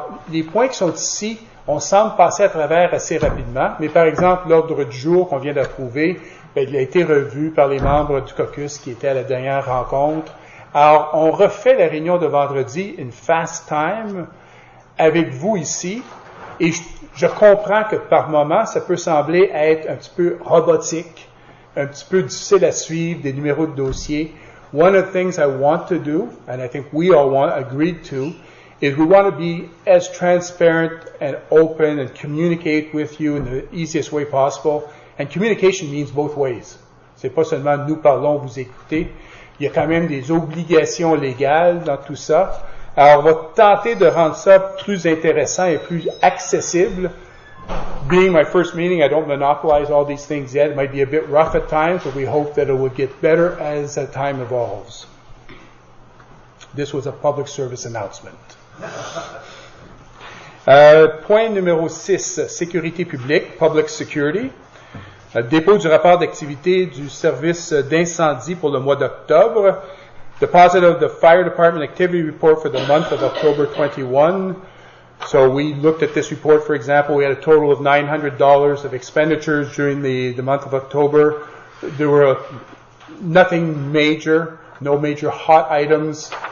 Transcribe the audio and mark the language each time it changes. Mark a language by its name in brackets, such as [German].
[French] Les points qui sont ici, on semble passer à travers assez rapidement, mais par exemple, l'ordre du jour qu'on vient d'approuver, bien, il a été revu par les membres du caucus qui étaient à la dernière rencontre. Alors, on refait la réunion de vendredi, [English] in fast time, [French] avec vous ici, et je comprends que par moment, ça peut sembler être un petit peu robotique, un petit peu difficile à suivre, des numéros de dossier. [English] One of the things I want to do, and I think we all want, agreed to, is we want to be as transparent and open and communicate with you in the easiest way possible. And communication means both ways. [French] C'est pas seulement nous parlons, vous écoutez. Il y a quand même des obligations légales dans tout ça. Alors, on va tenter de rendre ça plus intéressant et plus accessible. [English] Being my first meeting, I don't monopolize all these things yet. It might be a bit rough at times, but we hope that it will get better as time evolves. This was a public service announcement. [French] Point numéro 6, sécurité publique, [English] public security. [French] Dépôt du rapport d'activité du service d'incendie pour le mois d'octobre. [English] Deposit of the fire department activity report for the month of October 21. So we looked at this report, for example, we had a total of $900 of expenditures during the month of October. There were nothing major, no major hot items.